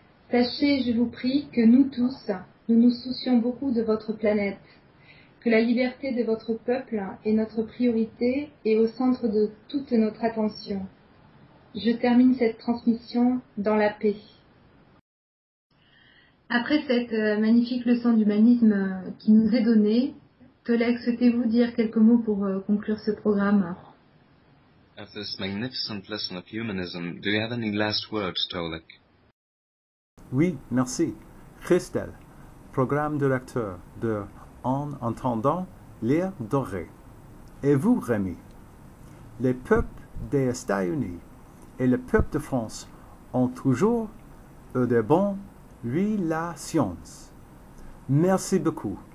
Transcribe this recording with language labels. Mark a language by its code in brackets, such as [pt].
[fr] Sachez, je vous prie, que nous tous, nous nous soucions beaucoup de votre planète, que la liberté de votre peuple est notre priorité et au centre de toute notre attention. Je termine cette transmission dans la paix. Après cette magnifique leçon d'humanisme qui nous est donnée, Tolek, souhaitez-vous dire quelques mots pour conclure ce programme? [en] After this magnificent lesson of humanism, do you have any last words, Tolek? [fr] Oui, merci. Christelle, programme directeur de En entendant l'air doré. Et vous, Rémi? Les peuples des États-Unis et le peuple de France ont toujours eu des bons relations. Merci beaucoup.